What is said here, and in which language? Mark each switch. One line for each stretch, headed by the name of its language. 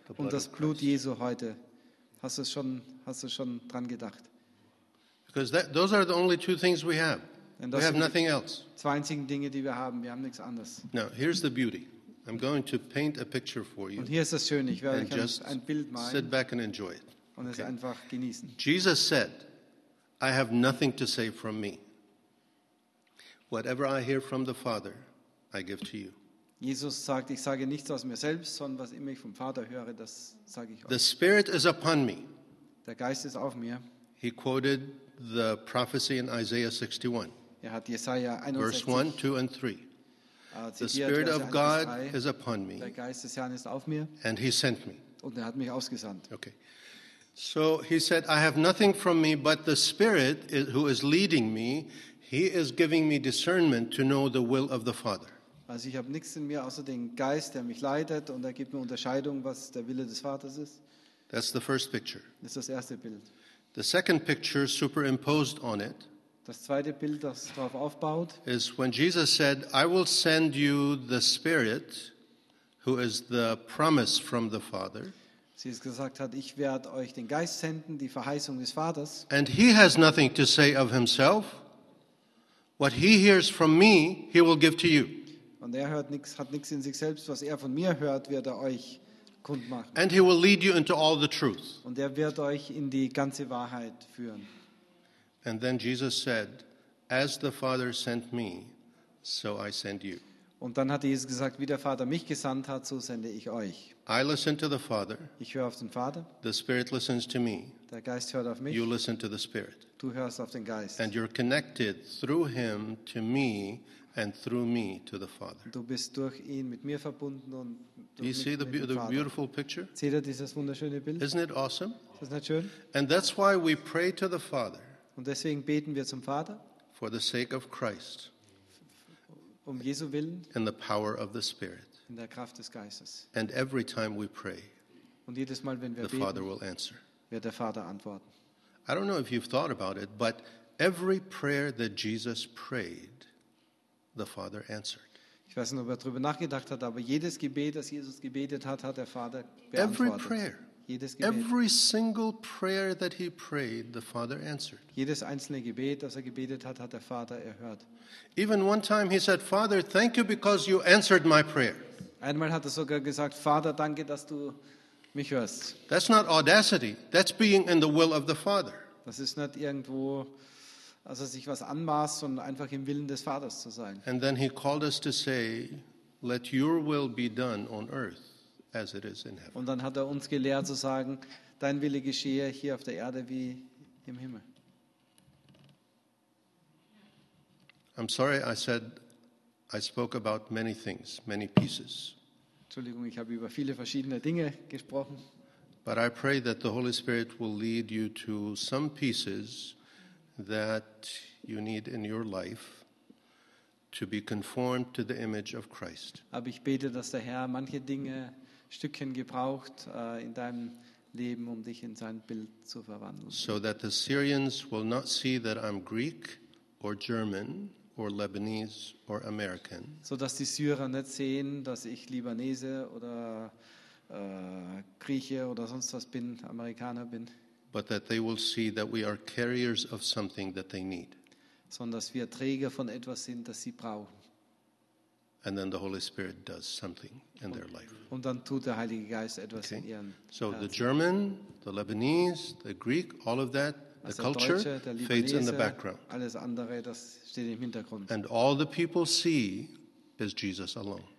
German: und das Blut Jesu heute, hast du schon dran gedacht?
English: Because those are the only two things we have. We have nothing else.
German: Zwei einzigen Dinge, die wir haben. Wir haben nichts anderes.
English: Now, here's the beauty. I'm going to paint a picture for you.
German: Und hier ist das Schöne. Ich werde euch ein Bild malen.
English: Sit back and enjoy it.
German: Und es einfach genießen.
English: Jesus said, I have nothing to say from me. Whatever I hear from the Father, I give to you.
German: Jesus sagt, ich sage nichts aus mir selbst, sondern was immer ich vom Vater höre, das sage ich euch.
English: The Spirit is upon me.
German: Der Geist ist auf mir.
English: He quoted the prophecy in Isaiah 61.
German: Er hat Jesaja 61,
English: verse 1, 2, and 3. The Spirit of God is upon me.
German: Der Geist des Herrn ist auf mir.
English: And he sent me.
German: Und er hat mich ausgesandt.
English: Okay. So he said, I have nothing from me, but the Spirit who is leading me, he is giving me discernment to know the will of the Father.
German: Also ich habe nichts in mir außer den Geist, der mich leitet, und er gibt mir Unterscheidung, was der Wille des Vaters ist.
English: That's the first picture.
German: Das ist das erste Bild.
English: The second picture superimposed on it,
German: das zweite Bild, das darauf aufbaut,
English: is when Jesus said, I will send you the Spirit, who is the promise from the Father.
German: Jesus gesagt hat, ich werde euch den Geist senden, die Verheißung des Vaters.
English: And he has nothing to say of himself. What he hears from me, he will give to you.
German: Und er hört nichts, hat nichts in sich selbst. Was er von mir hört, wird er euch kundmachen.
English: And he will lead you into all the truth.
German: Und er wird euch in die ganze Wahrheit führen.
English: And then Jesus said, as the Father sent me, so I send you.
German: Und dann hat Jesus gesagt, wie der Vater mich gesandt hat, so sende ich euch.
English: I listen to the Father.
German: Ich höre auf den Vater.
English: The Spirit listens to me.
German: Der Geist hört auf mich.
English: You listen to the Spirit.
German: Du hörst auf den Geist.
English: And you're connected through him to me and through me to the Father.
German: Du bist durch ihn mit mir verbunden und durch mich mit dem Vater.
English: Do you see the beautiful picture?
German: Seht ihr dieses wunderschöne Bild?
English: Isn't it awesome?
German: Ist das nicht schön?
English: And that's why we pray to the Father.
German: Und deswegen beten wir zum Vater.
English: For the sake of Christ.
German: Um Jesu willen.
English: And the power of the Spirit.
German: In der Kraft des Geistes.
English: And every time we pray.
German: Und jedes Mal, wenn wir
English: the
German: beten,
English: Father will answer.
German: Wird der Vater antworten.
English: I don't know if you've thought about it, but every prayer that Jesus prayed, the Father answered.
German: Ich weiß nicht, ob er darüber nachgedacht hat, aber jedes Gebet, das Jesus gebetet hat, hat der Vater beantwortet.
English: Every prayer.
German: Jedes Gebet.
English: Every single prayer that he prayed, the Father answered.
German: Jedes einzelne Gebet, das er gebetet hat, hat der Vater erhört.
English: Even one time he said, Father, thank you because you answered my prayer.
German: Einmal hat er sogar gesagt, Vater, danke, dass du mich hörst.
English: That's not audacity. That's being in the will of the Father.
German: Das ist nicht irgendwo, dass er sich was anmaßt, sondern einfach im Willen des Vaters zu sein.
English: And then he called us to say, let your will be done on earth as it is in heaven.
German: Und dann hat er uns gelehrt zu sagen, dein Wille geschehe hier auf der Erde wie im Himmel.
English: I'm sorry, I said, I spoke about many things, many pieces.
German: Entschuldigung, ich habe über viele verschiedene Dinge gesprochen.
English: But I pray that the Holy Spirit will lead you to some pieces that you need in your life to be conformed to the image of Christ.
German: Aber ich bete, dass der Herr manche Dinge, Stückchen gebraucht in deinem Leben, um dich in sein Bild zu verwandeln.
English: So that the Syrians will not see that I'm Greek or German or Lebanese or American.
German: So dass die Syrer nicht sehen, dass ich Libanese oder Grieche oder sonst was bin, Amerikaner bin.
English: But that they will see that we are carriers of something that they need.
German: Sondern dass wir Träger von etwas sind, das sie brauchen.
English: And then the Holy Spirit does something in their life.
German: Und dann tut der Heilige Geist etwas in ihren.
English: So the German, the Lebanese, the Greek, all of that, the culture fades in the background.
German: Alles andere, das steht im Hintergrund.
English: And all the people see is Jesus alone.